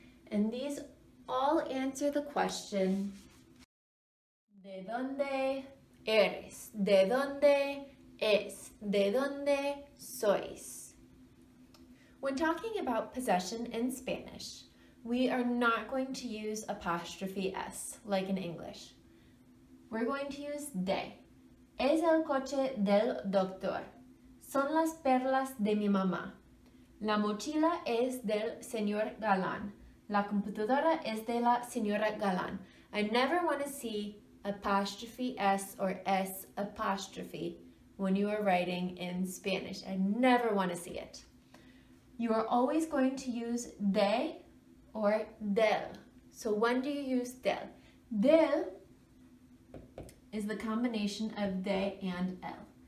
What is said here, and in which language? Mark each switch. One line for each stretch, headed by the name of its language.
English: And these all answer the question,
Spanish: ¿de dónde eres? ¿De dónde es? ¿De dónde sois?
English: When talking about possession in Spanish, we are not going to use apostrophe S like in English. We're going to use de.
Spanish: Es el coche del doctor. Son las perlas de mi mamá. La mochila es del señor Galán. La computadora es de la señora Galán.
English: I never want to see apostrophe S or S apostrophe when you are writing in Spanish. I never want to see it. You are always going to use de or del. So when do you use del? Del is the combination of de and el.